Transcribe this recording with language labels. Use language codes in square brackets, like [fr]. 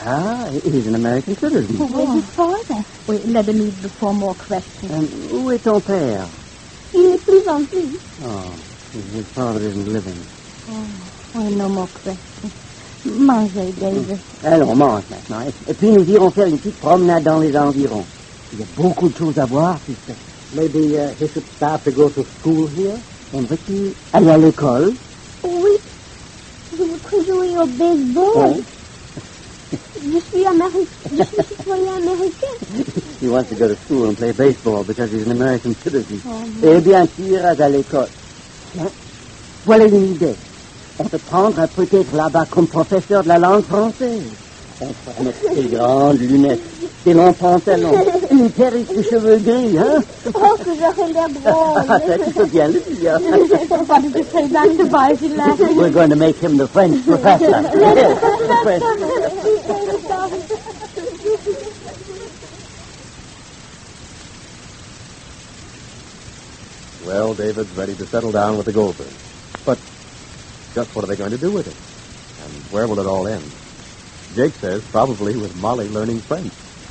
[en] Ah, he's an American citizen. Oh. Where's his father? Wait, let him leave before more questions. [fr] And où est ton père? Il n'est plus en vie. [en] Oh, his father isn't living. Oh, well, no more questions. [fr] Mangez, David. Allons, mange maintenant. Et puis nous irons faire une petite promenade dans les environs. Il y a beaucoup de choses à voir, tu sais. [en] Maybe he should start to go to school here. [fr] And Ricky, aller à l'école? Oui. Je veux que jouer au baseball. Oui. Je suis citoyen américain. [en] He wants to go to school and play baseball because he's an American citizen. [fr] Oh, oui. Eh bien, tu iras à l'école. Hein? Voilà une idée. On te prendra peut-être là-bas comme professeur de la langue française. On fera mettre tes grandes lunettes. C'est mon pantalon. Une perruque de cheveux gris, hein? Oh, que j'aurais l'air drôle. Ça, tu peux bien le dire. [en] What did you say, Dr. Barzilla? We're going to make him the French professor. Yes, the French professor. Well, David's ready to settle down with the Goldbergs. But just what are they going to do with it? And where will it all end? Jake says probably with Molly learning French.